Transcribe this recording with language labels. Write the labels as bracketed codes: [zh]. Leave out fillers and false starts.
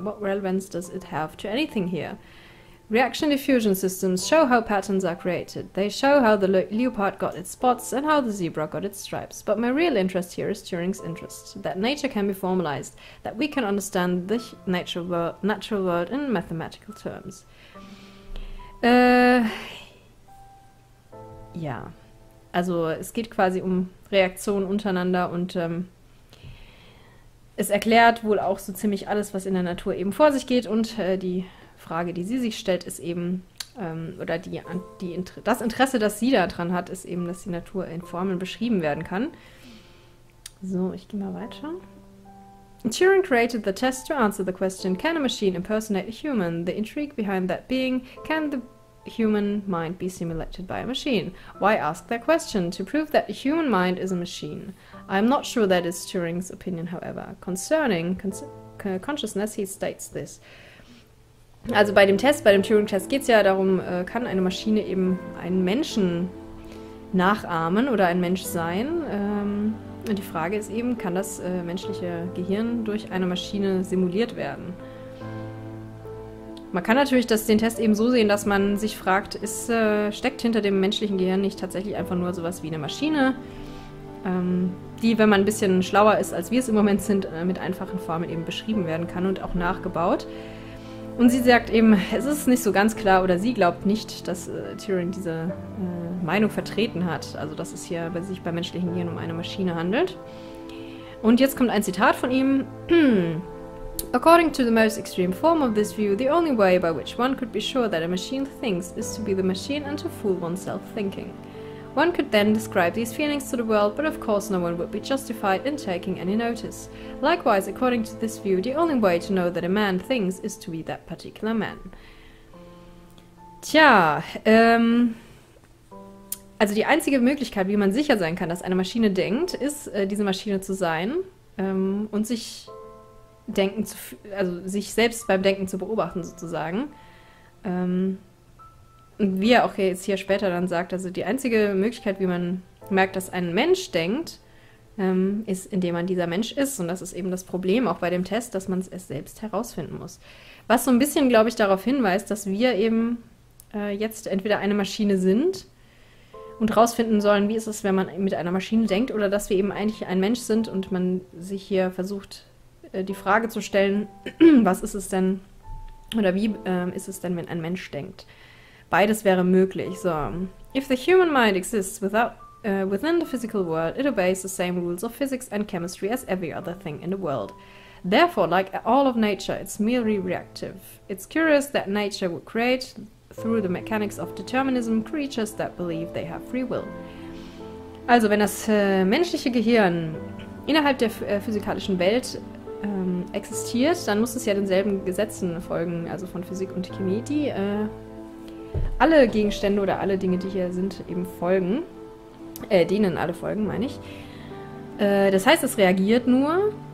[en] What relevance does it have to anything here? Reaction diffusion systems show how patterns are created. They show how the leopard got its spots and how the zebra got its stripes. But my real interest here is Turing's interest, that nature can be formalized, that we can understand the natural world in mathematical terms. [de] Ja, also es geht quasi um Reaktionen untereinander und es erklärt wohl auch so ziemlich alles, was in der Natur eben vor sich geht und die Frage, die sie sich stellt, ist eben, oder das Interesse, das sie daran hat, ist eben, dass die Natur in Formeln beschrieben werden kann. So, ich gehe mal weiter. [en] Turing created the test to answer the question, can a machine impersonate a human? The intrigue behind that being, can the human mind be simulated by a machine? Why ask that question? To prove that a human mind is a machine. I'm not sure that is Turing's opinion, however. Concerning consciousness, he states this. [de] Also bei dem Test, bei dem Turing-Test geht es ja darum, kann eine Maschine eben einen Menschen nachahmen oder ein Mensch sein? Und die Frage ist eben, kann das menschliche Gehirn durch eine Maschine simuliert werden? Man kann natürlich den Test eben so sehen, dass man sich fragt, steckt hinter dem menschlichen Gehirn nicht tatsächlich einfach nur sowas wie eine Maschine, die, wenn man ein bisschen schlauer ist, als wir es im Moment sind, mit einfachen Formeln eben beschrieben werden kann und auch nachgebaut. Und sie sagt eben, es ist nicht so ganz klar, oder sie glaubt nicht, dass Turing diese Meinung vertreten hat. Also, dass es hier bei sich beim menschlichen Gehirn um eine Maschine handelt. Und jetzt kommt ein Zitat von ihm. [en] According to the most extreme form of this view, the only way by which one could be sure that a machine thinks is to be the machine and to fool oneself thinking. One could then describe these feelings to the world, but of course no one would be justified in taking any notice. Likewise, according to this view, the only way to know that a man thinks is to be that particular man. [de] Tja, also die einzige Möglichkeit, wie man sicher sein kann, dass eine Maschine denkt, ist, diese Maschine zu sein, und sich denken zu, also sich selbst beim Denken zu beobachten, sozusagen. Wie er auch jetzt hier später dann sagt, also die einzige Möglichkeit, wie man merkt, dass ein Mensch denkt, ist, indem man dieser Mensch ist. Und das ist eben das Problem auch bei dem Test, dass man es erst selbst herausfinden muss. Was so ein bisschen, glaube ich, darauf hinweist, dass wir eben jetzt entweder eine Maschine sind und herausfinden sollen, wie ist es, wenn man mit einer Maschine denkt, oder dass wir eben eigentlich ein Mensch sind und man sich hier versucht, die Frage zu stellen, was ist es denn, oder wie ist es denn, wenn ein Mensch denkt. Beides wäre möglich. So. [en] If the human mind exists within the physical world, it obeys the same rules of physics and chemistry as every other thing in the world. Therefore, like all of nature, it's merely reactive. It's curious that nature would create, through the mechanics of determinism, creatures that believe they have free will. [de] Also, wenn das menschliche Gehirn innerhalb der physikalischen Welt existiert, dann muss es ja denselben Gesetzen folgen, also von Physik und Chemie, die alle Gegenstände oder alle Dinge, die hier sind, eben folgen. Denen alle folgen, meine ich. Das heißt, es reagiert nur.